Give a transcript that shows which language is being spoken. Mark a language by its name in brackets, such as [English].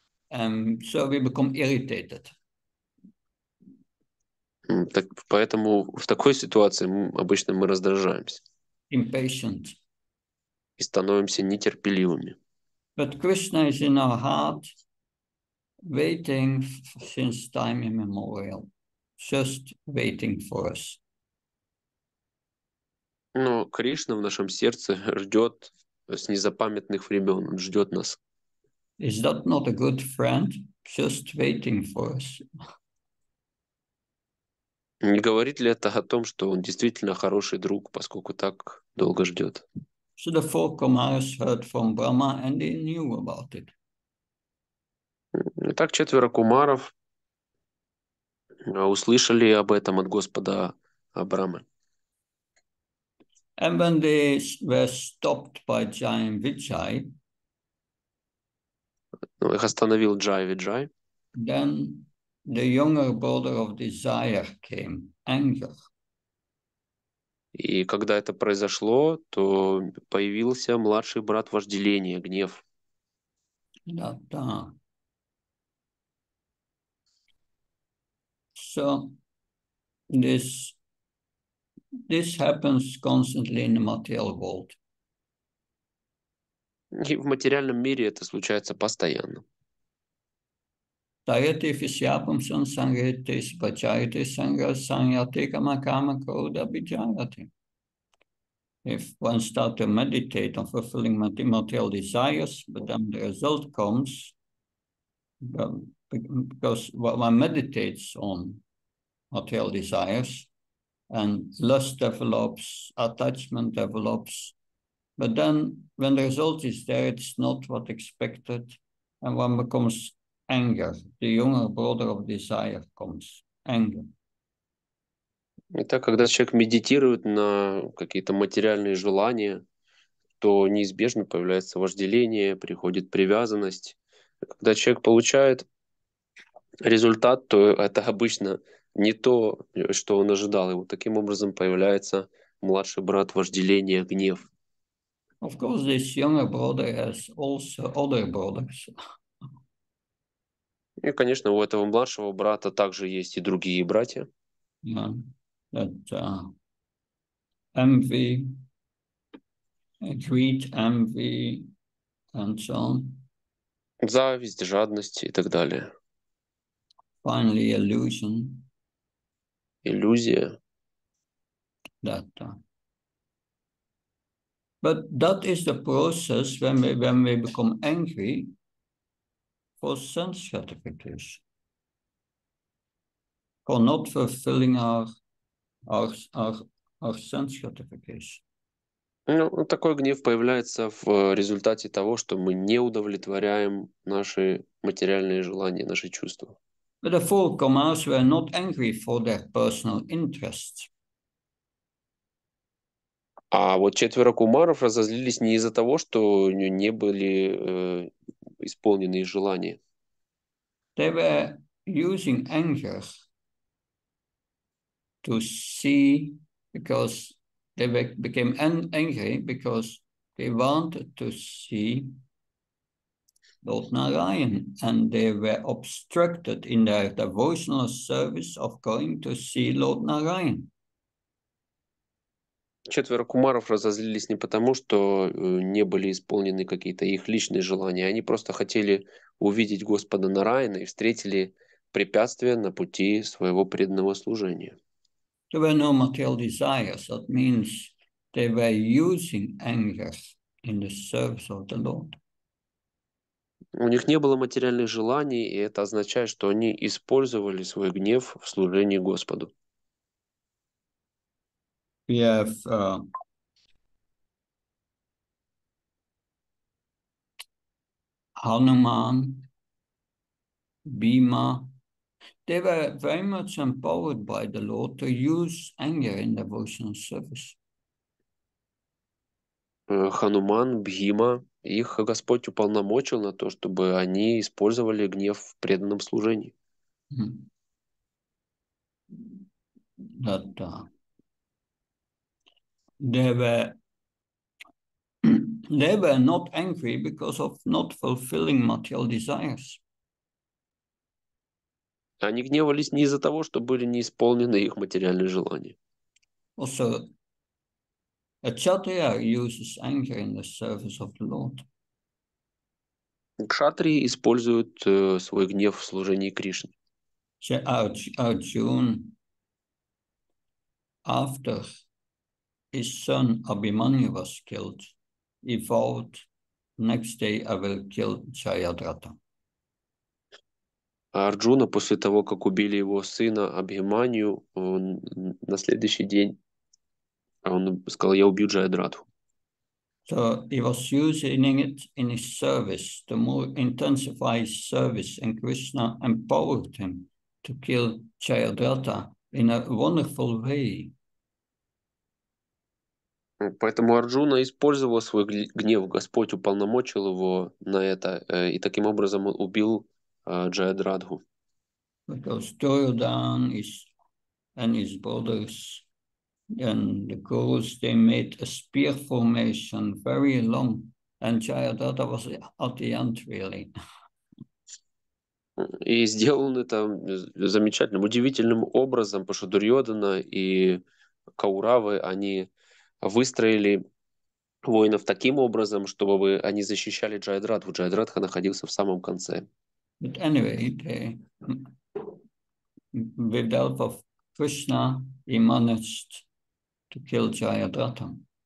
[English] So we become irritated. [Russian] Так, поэтому в такой ситуации обычно мы раздражаемся. [English] Impatient. [Russian] И становимся нетерпеливыми. [English] But Krishna is in our heart waiting since time immemorial, just waiting for us. [Russian] Но Кришна в нашем сердце ждет с незапамятных времен, он ждет нас. [English] Is that not a good friend just waiting for us? [Russian] Не говорит ли это о том, что он действительно хороший друг, поскольку так долго ждет? [English] So the four Kumaras heard from Brahma and they knew about it. [Russian] Итак, четверо кумаров услышали об этом от Господа Брамы. [English] And when they were stopped by giant Vijay, [Russian] их остановил Джай Виджай. [English] Then the younger brother of desire came, anger. [Russian] И когда это произошло, то появился младший брат вожделения, гнев. Да-да. [English] So this happens constantly in the material world. [Russian] И в материальном мире это случается постоянно. Тарети фисиапамсан сангрити спачарити сангра саньятика макама кауда биджарати. [English] If one starts to meditate on fulfilling material desires, but then the result comes, because what one meditates on material desires, and lust develops, attachment develops, but then when the result is there, it's not what expected, and one becomes anger, the younger brother of desire comes, anger. [Russian] Итак, когда человек медитирует на какие-то материальные желания, то неизбежно появляется вожделение, приходит привязанность. Когда человек получает результат, то это обычно не то, что он ожидал. И вот таким образом появляется младший брат вожделения, гнев. [English] Of course, this younger brother has also other brothers. [Russian] И, конечно, у этого младшего брата также есть и другие братья. [English] That envy, greed, envy, and so on. [Russian] Зависть, жадность и так далее. [English] Finally, illusion. [Russian] Иллюзия. [English] That. But that is the process when we become angry for sense gratification, for not fulfilling our sense gratification. [Russian] Ну, такой гнев появляется в результате того, что мы не удовлетворяем наши материальные желания, наши чувства. [English] But the four Kumaras were not angry for their personal interests. [Russian] А вот четверо кумаров разозлились не из-за того, что не были исполнены желания. [English] They were using anger to see, because they became angry because they wanted to see Lord Narayan, and they were obstructed in their devotional service of going to see Lord Narayan. [Russian] Четверо кумаров разозлились не потому, что не были исполнены какие-то их личные желания. Они просто хотели увидеть Господа Нараяна и встретили препятствия на пути своего преданного служения. [English] There were no material desires. That means they were using anger in the service of the Lord. [Russian] У них не было материальных желаний, и это означает, что они использовали свой гнев в служении Господу. [English] We have Hanuman, Bhima. They were very much empowered by the Lord to use anger in devotional service. [Russian] Хануман, Бхима, их Господь уполномочил на то, чтобы они использовали гнев в преданном служении. [English] That, they were not angry because of not fulfilling material desires. [Russian] Они гневались не из-за того, что были не исполнены их материальные желания. [English] Also, a kshatriya uses anger in the service of the Lord. [Russian] Кшатри используют свой гнев в служении Кришне. [English] Arjun, after his son Abhimanyu was killed, he vowed, next day I will kill Jayadratha. [Russian] А Арджуна, после того, как убили его сына Абхиманию, он на следующий день он сказал, я убью Джаядратху. [English] So he was using it in his service to more intensify his service, and Krishna empowered him to kill Jayadratha in a wonderful way. [Russian] Поэтому Арджуна использовал свой гнев, Господь уполномочил его на это, и таким образом он убил Джаядрадху. [English] Because Duryodhana and his brothers and the gurus, they made a spear formation very long, and Jayadratha was at the end, really. [Russian] И сделан это замечательным, удивительным образом, потому что Дурьодана и Кауравы, они выстроили воинов таким образом, чтобы они защищали Джаядратху. Джаядратха находился в самом конце. [English] But anyway, with the help of Krishna, he managed to kill Jayadratha.